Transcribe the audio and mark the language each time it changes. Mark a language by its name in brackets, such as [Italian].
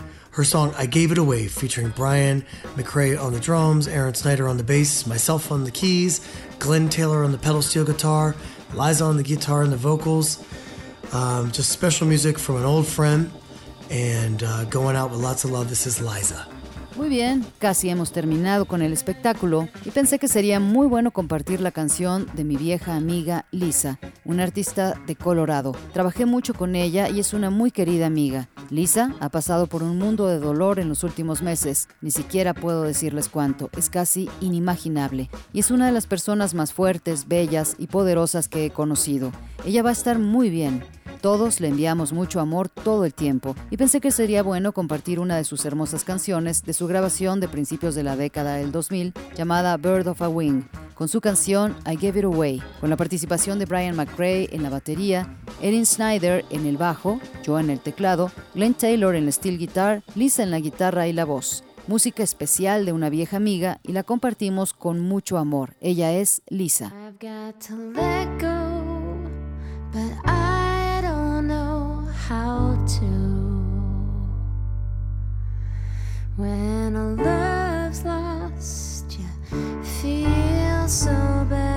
[English] Her song, I Gave It Away, featuring Brian McRae on the drums, Aaron Snyder on the bass, myself on the keys, Glenn Taylor on the pedal steel guitar, Liza on the guitar and the vocals. Just special music from an old friend, and going out with lots of love. This is Liza. [Spanish] Muy bien, casi hemos terminado con el espectáculo y pensé que sería muy bueno compartir la canción de mi vieja amiga Lisa, una artista de Colorado. Trabajé mucho con ella y es una muy querida amiga. Lisa ha pasado por un mundo de dolor en los últimos meses, ni siquiera puedo decirles cuánto, es casi inimaginable. Y es una de las personas más fuertes, bellas y poderosas que he conocido. Ella va a estar muy bien. Todos le enviamos mucho amor todo el tiempo y pensé que sería bueno compartir una de sus hermosas canciones de su grabación de principios de la década del 2000 llamada Bird of a Wing, con su canción I Gave It Away, con la participación de Brian McRae en la batería, Erin Snyder en el bajo, yo en el teclado, Glenn Taylor en la steel guitar, Lisa en la guitarra y la voz. Música especial de una vieja amiga y la compartimos con mucho amor. Ella es Lisa. [English] I've got to let go, but how to, when a love's lost, you feel so bad.